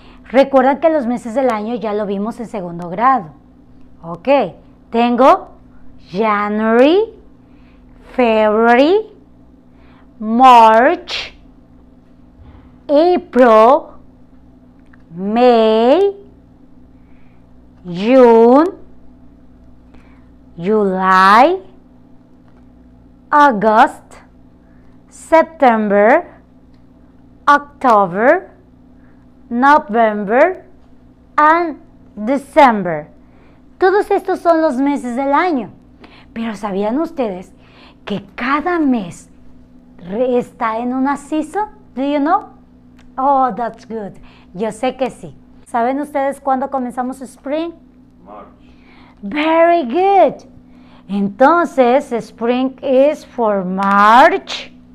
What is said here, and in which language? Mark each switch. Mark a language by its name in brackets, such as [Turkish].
[Spanish] Recuerda que los meses del año ya lo vimos en segundo grado. [English] Ok, tengo January, February, March, April, May, June, July, August, September, October, November and December. [Spanish] Todos estos son los meses del año. Pero ¿sabían ustedes que cada mes está en una season? [English] Do you know? Oh, that's good. [Spanish] Yo sé que sí. ¿Saben ustedes cuándo comenzamos spring? [English] March. Very good. Entonces, spring is for March.